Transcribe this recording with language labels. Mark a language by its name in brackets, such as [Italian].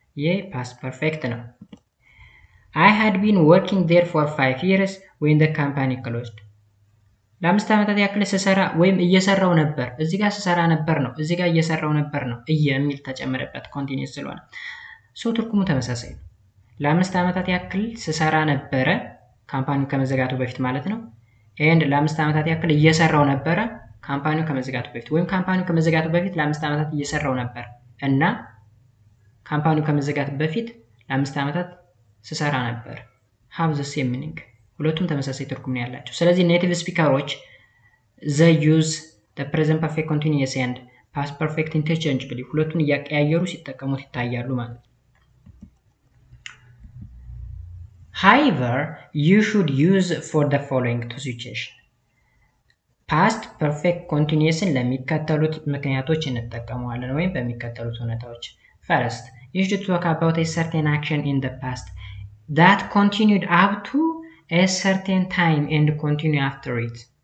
[Amharic] ይሄ past perfect ነው። [English] I had been working there for 5 years when the company closed. [Amharic] ለአምስት ዓመታት ያክል ስሰራ ወይም እየሰራው ነበር። እዚህ ጋር ስሰራ ነበር ነው። እዚህ ጋር እየሰራው ነበር ነው። እየሚል ተጨመረበት continuous ስለሆነ። ሰው ትርጉሙ ተመሳሳይ ነው። ለአምስት ዓመታት ያክል ስሰራ ነበረ ካምፓኒው ከመዘጋቱ በፊት ማለት ነው። and ለአምስት ዓመታት ያክል እየሰራው ነበር ካምፓኒው ከመዘጋቱ በፊት ወይም ካምፓኒው ከመዘጋቱ በፊት ለአምስት ዓመታት እየሰራው ነበር እና ካምፓኒው ከመዘጋት በፊት ለአምስት ዓመታት ስሰራ ነበር። [English] have the same meaning [Amharic] ሁለቱም ተመሳሳይ ትርጉም ነው ያላቸው። ስለዚህ [English] native speakers they use the present perfect continuous and past perfect interchangeably [Amharic] ሁለቱን እያቀያየሩ ሲጠቀሙት ይታያሉ ማለት ነው። [English] However, you should use for the following two situations. Past perfect continuous [Amharic] ለሚከተሉት ምክንያቶች እንጠቀማለን ወይም በሚከተሉት ሁኔታዎች [English] First, you should talk about a certain action in the past that continued up to a certain time and continue after it.